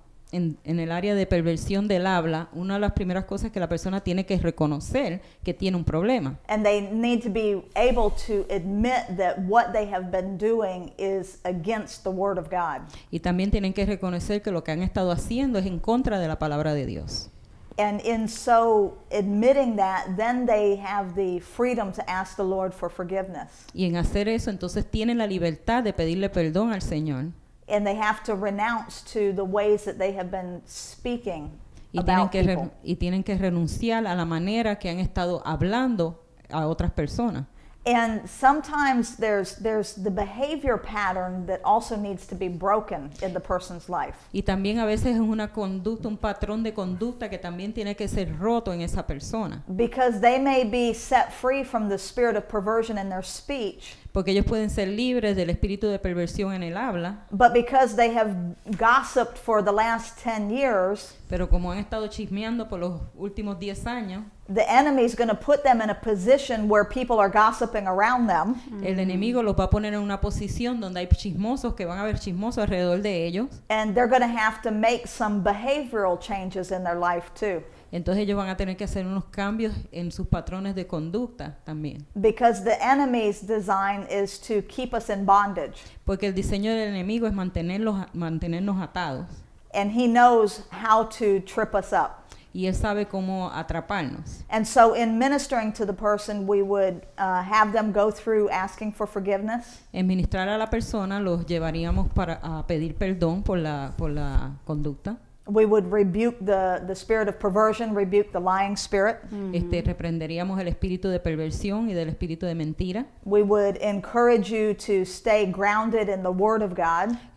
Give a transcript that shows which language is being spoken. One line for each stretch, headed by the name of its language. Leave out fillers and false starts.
Spanish: En el área de perversión del habla, una de las primeras cosas que la persona tiene que reconocer que tiene un problema.
English: And they need to be able to admit that what they have been doing is against the word of God.
Spanish: Y también tienen que reconocer que lo que han estado haciendo es en contra de la palabra de Dios.
English: And in so admitting that, then they have the freedom to ask the Lord for forgiveness.
Spanish: Y en hacer eso, entonces tienen la libertad de pedirle perdón al Señor.
English: And they have to renounce to the ways that they have been speaking about people.
Spanish: Y tienen que renunciar a la manera que han estado hablando a otras personas.
English: And sometimes there's the behavior pattern that also needs to be broken in the person's life.
Spanish: Y también a veces es una conducta, un patrón de conducta que también tiene que ser roto en esa persona.
English: Because they may be set free from the spirit of perversion in their speech.
Spanish: Porque ellos pueden ser libres del espíritu de perversión en el habla.
English: But because they have gossiped for the last 10 years.
Spanish: Pero como han estado chismeando por los últimos 10 años.
English: The enemy is going to put them in a position where people are gossiping around them.
Spanish: El enemigo los va a poner en una posición donde hay chismosos que van a ver chismosos alrededor de ellos.
English: And they're going to have to make some behavioral changes in their life too.
Spanish: Entonces ellos van a tener que hacer unos cambios en sus patrones de conducta también.
English: Because the enemy's design is to keep us in bondage.
Spanish: Porque el diseño del enemigo es mantenernos atados.
English: And he knows how to trip us up.
Spanish: Y él sabe cómo atraparnos.
English: And so in ministering to the person, we would have them go through asking for forgiveness.
Spanish: En ministrar a la persona, los llevaríamos para a pedir perdón por la conducta.
English: We would rebuke the spirit of perversion, rebuke the lying spirit.
Spanish: Reprenderíamos el espíritu de perversión y del espíritu de mentira.
English: We would encourage you to stay grounded in the word of God.